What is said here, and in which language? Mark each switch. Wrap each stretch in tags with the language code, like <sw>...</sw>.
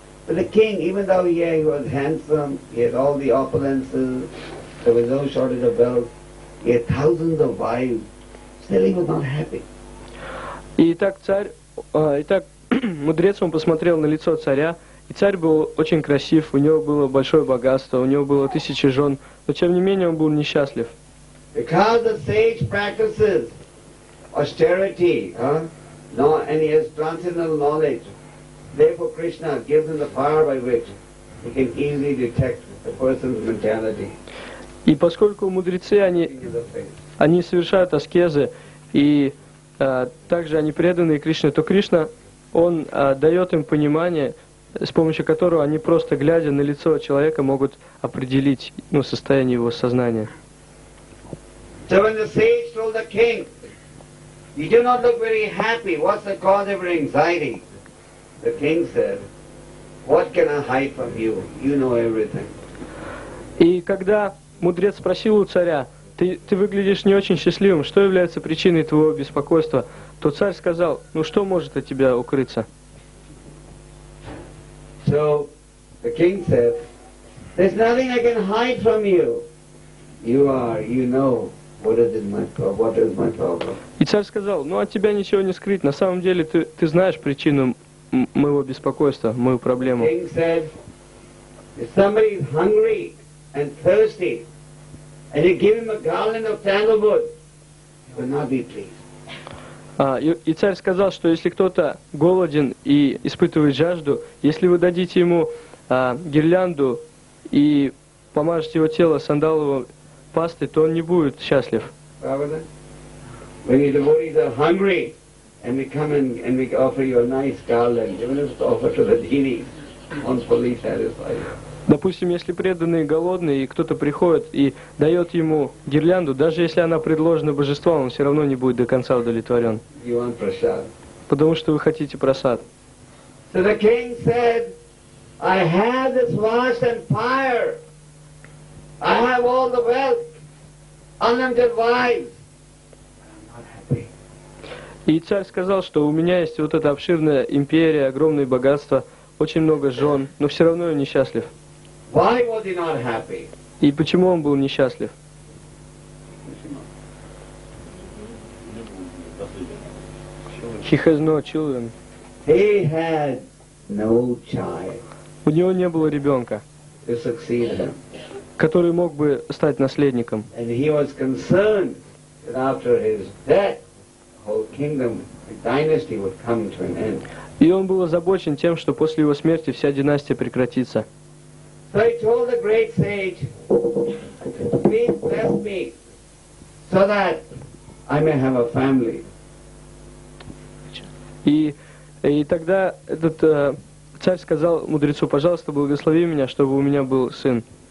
<en>But the king, even though he was handsome, he had all the opulences, there was no shortage of wealth, he had thousands of wives, still he was not happy.</en> <ru>И так царь, мудрец, он посмотрел на лицо царя, и царь был очень красив, у него было большое богатство, у него было тысячи жен, но тем не менее он был несчастлив.</ru> <en>Because the sage practices austerity, and he has transcendental knowledge, therefore Krishna gives him the power by which he can easily detect a person's mentality.</en> <ru>И поскольку мудрецы, они совершают аскезы, и также они преданные Кришне, то Кришна, он дает им понимание, с помощью которого они, просто глядя на лицо человека, могут определить, ну, состояние его сознания.</ru> <en>So when the sage told the king, you do not look very happy, what's the cause of your anxiety? The king said, what can I hide from you? You know everything.</en> <ru>И когда мудрец спросил у царя, ты выглядишь не очень счастливым, что является причиной твоего беспокойства? То царь сказал, ну что может от тебя укрыться?</ru> <en>So, the king said, there's nothing I can hide from you. You know what is my problem.</en> <ru>И царь сказал, ну от тебя ничего не скрыть, на самом деле ты знаешь причину моего беспокойства, мою проблему.</ru> <en>The king said, if somebody is hungry and thirsty, and you give him a garland of sandalwood, he will not be pleased.</en> <ru>И царь сказал, что если кто-то голоден и испытывает жажду, если вы дадите ему гирлянду и помажете его тело сандаловой пастой, то он не будет счастлив.</ru> <en>When your devotees are hungry, and we come and we offer you a nice garland, you will just offer to the deity, one fully satisfied.</en> <ru>Допустим, если преданные голодные, и кто-то приходит и дает ему гирлянду, даже если она предложена божеством, он все равно не будет до конца удовлетворен.</ru> <en>You want prasad.</en> <ru>Потому что вы хотите просад.</ru> <en>So the king said, I have this vast empire. I have all the wealth, unlimited wives. I'm not happy.</en> <ru>И царь сказал, что у меня есть вот эта обширная империя, огромные богатства, очень много жен, но все равно я несчастлив.</ru> <en>Why was he not happy?</en> <ru>И почему он был несчастлив?</ru> <en>He has no children. He had no child.</en> <ru>У него не было ребенка, который мог бы стать наследником.</ru> <en>And he was concerned that after his death, whole kingdom, the dynasty would come to an end.</en> <ru>И он был озабочен тем, что после его смерти вся династия прекратится.</ru> <en>So he told the great sage, please bless me, so that I may have a family.</en> <ru>И тогда этот царь сказал мудрецу, пожалуйста, благослови меня, чтобы у меня был сын.</ru>